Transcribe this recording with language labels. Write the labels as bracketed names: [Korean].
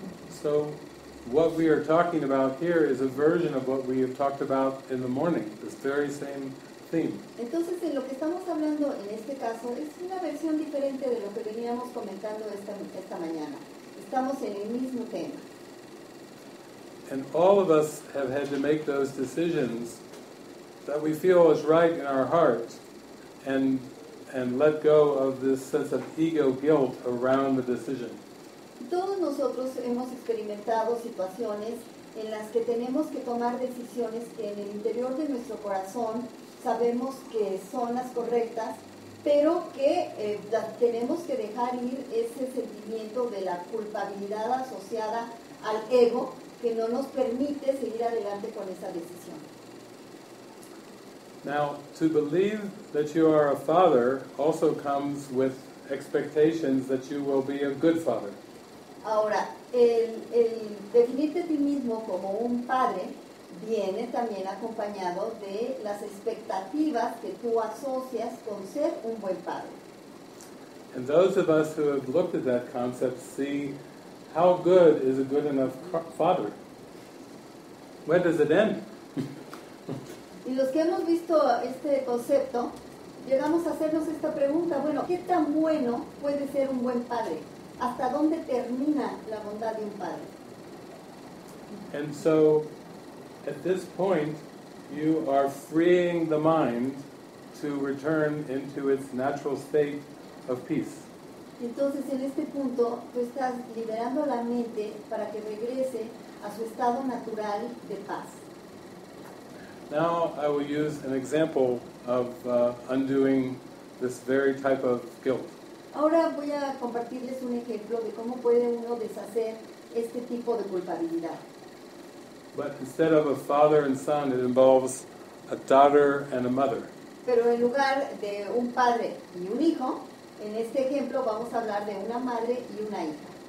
[English] So, what we are talking about here is a version of what we have talked about in the morning, this very same theme. [Spanish] Entonces, en lo que estamos hablando en este caso es una versión diferente de lo que veníamos comentando esta mañana. Estamos en el mismo tema. [English] And all of us have had to make those decisions that we feel is right in our heart, and let go of this sense of ego guilt around the decision. [Spanish] Todos nosotros hemos experimentado situaciones en las que tenemos que tomar decisiones que en el interior de nuestro corazón sabemos que son las correctas, pero que tenemos que dejar ir ese sentimiento de la culpabilidad asociada al ego que no nos permite seguir adelante con esa decisión. [English] Now, to believe that you are a father also comes with expectations that you will be a good father. [Spanish] Ahora, el definirte a ti mismo como un padre viene también acompañado de las expectativas que tú asocias con ser un buen padre. [English] And those of us who have looked at that concept see how good is a good enough father. When does it end? [Spanish] Y los que hemos visto este concepto, llegamos a hacernos esta pregunta, bueno, ¿qué tan bueno puede ser un buen padre? ¿Hasta dónde termina la bondad de un padre? [English] And so, at this point, you are freeing the mind to return into its natural state of peace. [Spanish] Entonces, en este punto, tú estás liberando la mente para que regrese a su estado natural de paz. [English] Now I will use an example of undoing this very type of guilt. [Spanish] Ahora voy a compartirles un ejemplo de cómo puede uno deshacer este tipo de culpabilidad. [English] But instead of a father and son, it involves a daughter and a mother. [Spanish] Pero en lugar de un padre y un hijo, en este ejemplo vamos a hablar de una madre y una hija.